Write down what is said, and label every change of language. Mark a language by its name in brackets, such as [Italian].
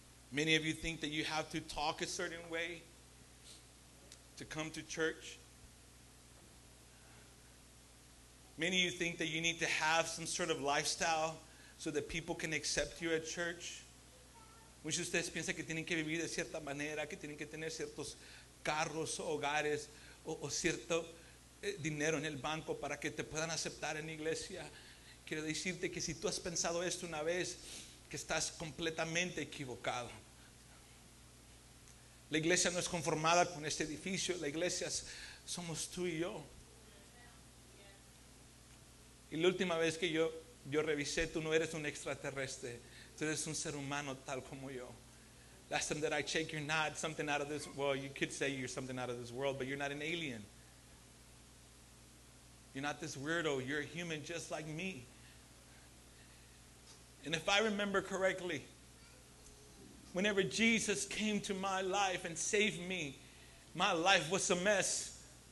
[English] Many of you think that you have to talk a certain way to come to church. Many of you think that you need to have some sort of lifestyle so that people can accept you at church. [Spanish] Muchos de ustedes piensan que tienen que vivir de cierta manera, que tienen que tener ciertos carros, hogares, o cierto dinero en el banco para que te puedan aceptar en iglesia. Quiero decirte que si tú has pensado esto una vez, que estás completamente equivocado. La iglesia no es conformada con este edificio. La iglesia somos tú y yo. Y la última vez que yo revisé, tú no eres un extraterrestre. Tú eres un ser humano tal como yo. [English] Last time that I checked, you're not something out of this world. Well, you could say you're something out of this world, but you're not an alien. You're not this weirdo. You're a human just like me. And if I remember correctly, whenever Jesus came to my life and saved me, my life was a mess.